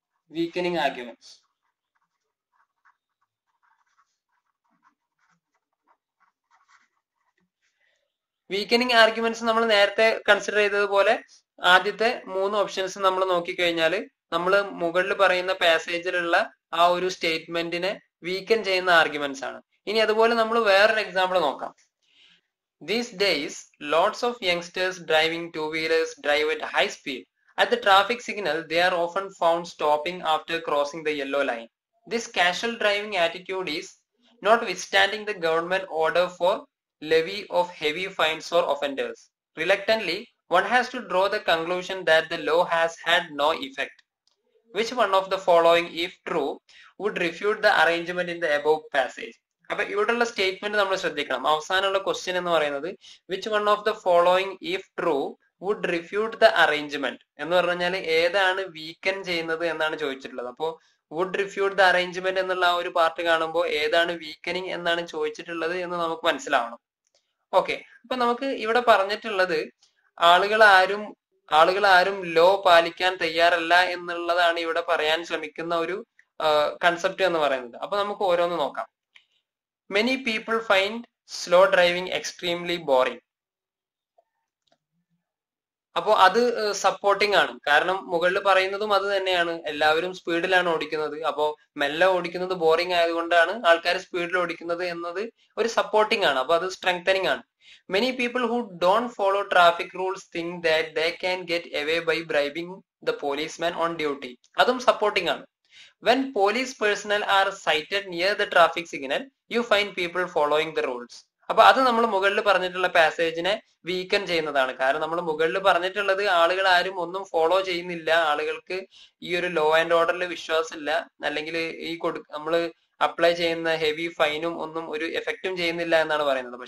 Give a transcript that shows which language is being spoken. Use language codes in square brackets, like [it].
[ml] Weakening arguments weakening arguments നമ്മൾ നേരത്തെ consider ചെയ്തതുപോലെ ആദ്യത്തെ മൂന്ന് ഓപ്ഷൻസ് നമ്മൾ നോക്കിക്കഴിഞ്ഞാൽ നമ്മൾ മുകളിൽ പറയുന്ന പാസേജിലുള്ള ആ ഒരു സ്റ്റേറ്റ്മെന്റിനെ വീക്കൻ ചെയ്യുന്ന ആർഗ്യുമെന്റ്സ് ആണ്. ഇനി അതുപോലെ നമ്മൾ വേറൊരു എക്സാമ്പിൾ നോക്കാം. [en] These days, lots of youngsters driving two-wheelers drive at high speed. At the traffic signal, they are often found stopping after crossing the yellow line. This casual driving attitude is notwithstanding the government order for levy of heavy fines for offenders. Reluctantly, one has to draw the conclusion that the law has had no effect. Which one of the following, if true, would refute the arrangement in the above passage? [ml] അപ്പൊ ഇവിടെയുള്ള statement നമ്മൾ ശ്രദ്ധിക്കണം. അവസാനമുള്ള question എന്ന് പറയുന്നത് [en] which one of the following if true would refute the arrangement [ml] എന്ന് പറഞ്ഞാൽ ഏതാണ് വീക്കൻ ചെയ്യുന്നത് എന്നാണ് ചോദിച്ചിട്ടുള്ളത്. അപ്പോ [en] would refute the arrangement [ml] എന്നുള്ള ആ ഒരു പാർട്ട് കാണുമ്പോൾ ഏതാണ് വീക്കനിങ് എന്നാണ് ചോദിച്ചിട്ടുള്ളത് എന്ന് നമുക്ക് മനസ്സിലാവണം. ഓക്കെ, അപ്പൊ നമുക്ക് ഇവിടെ പറഞ്ഞിട്ടുള്ളത് ആളുകൾ ആരും ലോ പാലിക്കാൻ തയ്യാറല്ല എന്നുള്ളതാണ് ഇവിടെ പറയാൻ ശ്രമിക്കുന്ന ഒരു കൺസെപ്റ്റ് എന്ന് പറയുന്നത്. അപ്പൊ നമുക്ക് ഓരോന്ന് നോക്കാം. [en] Many people find slow driving extremely boring. [ml] അപ്പോ അത് സപ്പോർട്ടിംഗ് ആണ്, കാരണം മുകളിൽ പറയുന്നതും അത് തന്നെയാണ്. എല്ലാവരും സ്പീഡിലാണ് ഓടിക്കുന്നത്, അപ്പോ മെല്ലെ ഓടിക്കുന്നത് ബോറിംഗ് ആയതുകൊണ്ടാണ് ആൾക്കാർ സ്പീഡിൽ ഓടിക്കുന്നത് എന്നത് ഒരു സപ്പോർട്ടിംഗ് ആണ്, അപ്പൊ അത് സ്ട്രെങ്തനിങ് ആണ്. [en] Many people who don't follow traffic rules think that they can get away by bribing the policeman on duty. [ml] അതും സപ്പോർട്ടിംഗ് ആണ്. [en] When police personnel are sighted near the traffic signal, you find people following the rules. [ml] അപ്പൊ അത് നമ്മൾ മുകളിൽ പറഞ്ഞിട്ടുള്ള പാസേജിനെ വീക്കൻ ചെയ്യുന്നതാണ്, കാരണം നമ്മൾ മുകളിൽ പറഞ്ഞിട്ടുള്ളത് ആളുകൾ ആരും ഒന്നും ഫോളോ ചെയ്യുന്നില്ല, ആളുകൾക്ക് ഈ ഒരു ലോ ആൻഡ് ഓർഡറിൽ വിശ്വാസമില്ല, അല്ലെങ്കിൽ ഈ നമ്മള് അപ്ലൈ ചെയ്യുന്ന ഹെവി ഫൈനും ഒന്നും ഒരു എഫക്റ്റും ചെയ്യുന്നില്ല എന്നാണ് പറയുന്നത്.